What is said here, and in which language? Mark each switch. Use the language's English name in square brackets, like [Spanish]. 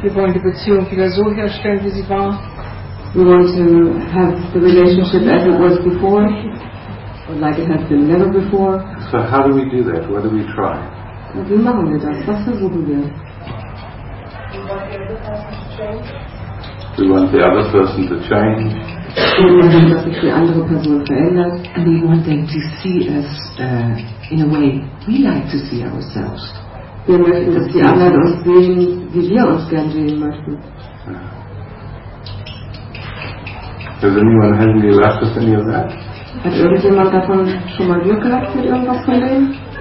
[German] Wir wollen die Beziehung wieder so herstellen, wie sie war. [English] We want to have the relationship as it was before, or like it has been never before. So how do we do that? What do we try? [German] Wie machen wir das? Was versuchen wir? [English] We want the other person to change. [German] dass sich die andere Person verändert. [English] And we want them to see us in a way we like to see ourselves. [German] Wir möchten, dass die anderen uns sehen, wie wir uns gern sehen möchten. [English] Does anyone have any luck with any of that? [German] Hat irgendjemand davon schon mal Glück gehabt mit irgendwas von dem?